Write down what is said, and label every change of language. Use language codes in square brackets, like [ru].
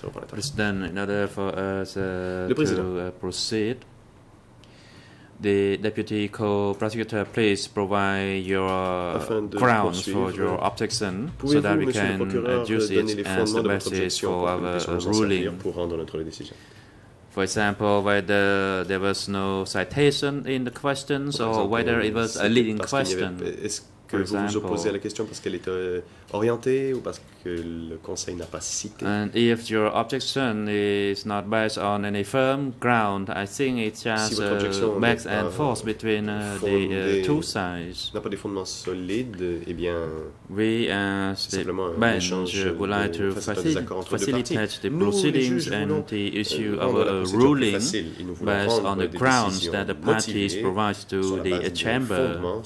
[en] President, in order for us to proceed, the deputy co-prosecutor, please provide your grounds for your objection so that we can use it as the basis for our ruling. For example, whether there was no citation in the questions or whether it was a leading question. [fr] Que vous vous opposez à la question parce qu'elle est orientée ou parce que le conseil n'a pas cité. [en] And if your objection is not based on any firm ground, I think it's just back and forth between the two sides. [fr] N'a pas des fondements solides, eh bien, [en] we as the bench would like to facilitate the proceedings and the issue of a ruling based on the grounds that the parties provide to the chamber.